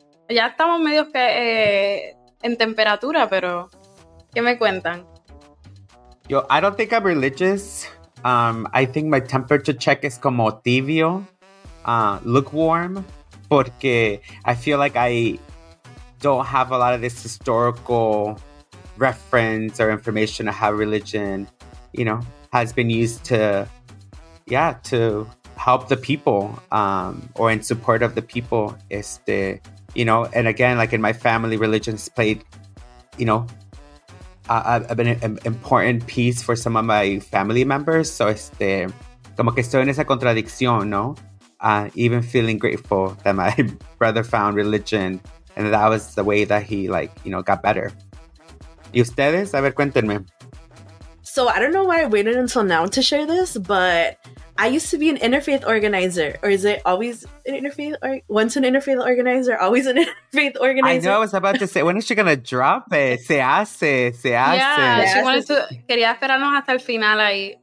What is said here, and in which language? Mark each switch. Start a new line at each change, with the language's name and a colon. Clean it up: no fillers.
Spanish: Ya estamos medio que en temperatura, pero ¿qué me cuentan?
English: Yo, I don't think I'm religious. I think my temperature check is
Spanish: como tibio,
English: lukewarm, porque I feel like I don't have a lot of this historical reference or information of how religion, you know, has been used to, yeah, to help the people, or in support of the people. Este, you know, and again, like in my family, religion's played, you know, I've been an important piece for some of my family members.
Spanish: So, este, como que estoy en esa contradicción, ¿no?
English: Even feeling grateful that my brother found religion and that was the way that he, like, you know, got better.
Spanish: ¿Y ustedes? A ver, cuéntenme.
English: So, I don't know why I waited until now to share this, but I used to be an interfaith organizer. Or is it always an interfaith? Once an interfaith organizer, always an interfaith organizer? I know, I was about to say, when is she going to drop it?
Spanish: Se hace, se hace. Yeah,
English: she wanted to,
Spanish: quería esperarnos hasta el final ahí.